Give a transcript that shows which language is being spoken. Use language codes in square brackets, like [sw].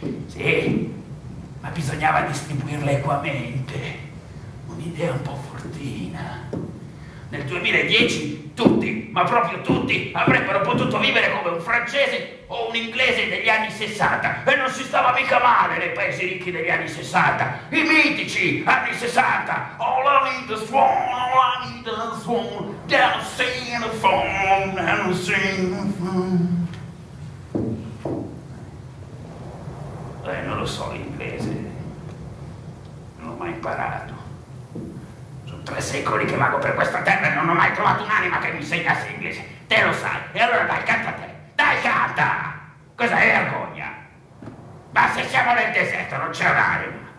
[it] Sì, ma bisognava distribuirle equamente. Un'idea un po' fortina. Nel 2010 tutti, ma proprio tutti, avrebbero potuto vivere come un francese o un inglese degli anni 60. E non si stava mica male nei paesi ricchi degli anni 60. I mitici anni 60. [en] All I need is one, all I need is one. Dancing in the phone, dancing in the phone. [it] Non lo so l'inglese. Non l'ho mai imparato. Sono 3 secoli che vago per questa terra e non ho mai trovato un'anima che mi insegnasse inglese. Te lo sai. E allora dai, canta te. Dai, canta! Cosa è vergogna? Ma se siamo nel deserto non c'è un'anima.